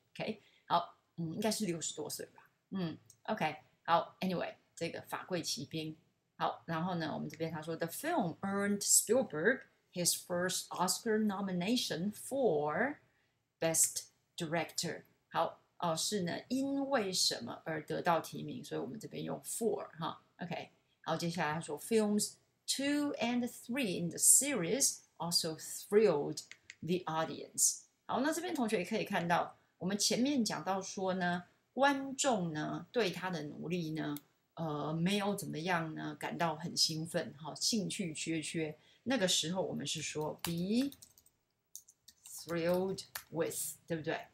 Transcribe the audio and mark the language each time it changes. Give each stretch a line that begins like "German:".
Chinese: OK， 好，应该是60多岁吧。OK， 好 ，Anyway， 这个《法贵骑兵》。好，然后呢，我们这边他说
English: ，The film earned Spielberg his first Oscar nomination for Best Director。
Chinese: 好，哦，是呢，因为什么而得到提名？所以我们这边用 for 哈 ，OK。好，接下来他说
English: ，Films 2 and 3 in the series also thrilled the audience。
Chinese: 好，那这边同学也可以看到，我们前面讲到说呢，观众呢对他的努力呢。没有怎么样呢？感到很兴奋，哈，兴趣缺缺。那个时候我们是说
English: be thrilled with，
Chinese: 对不对？